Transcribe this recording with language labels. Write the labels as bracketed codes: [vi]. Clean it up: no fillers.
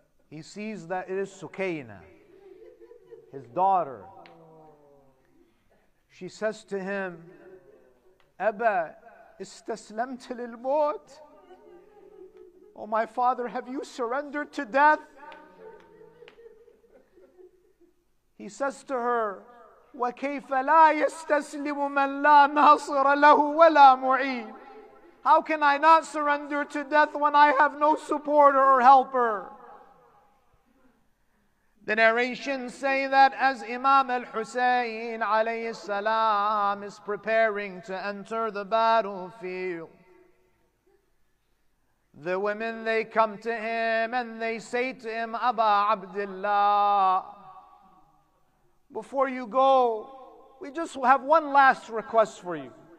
[en] He sees that it is Sukayna, his daughter. She says to him, Abba, [ar] istaslamt lil-mut? [en] Oh, my father, have you surrendered to death? He says to her, [ar] وَكَيْفَ لَا يَسْتَسْلِمُ مَنْ لَا نَاصِرَ لَهُ وَلَا مُعِينَ. [en] How can I not surrender to death when I have no supporter or helper? The narrations say that as Imam al-Husayn alayhi salam is preparing to enter the battlefield, the women, they come to him and they say to him, Aba Abdullah, before you go, we just have one last request for you.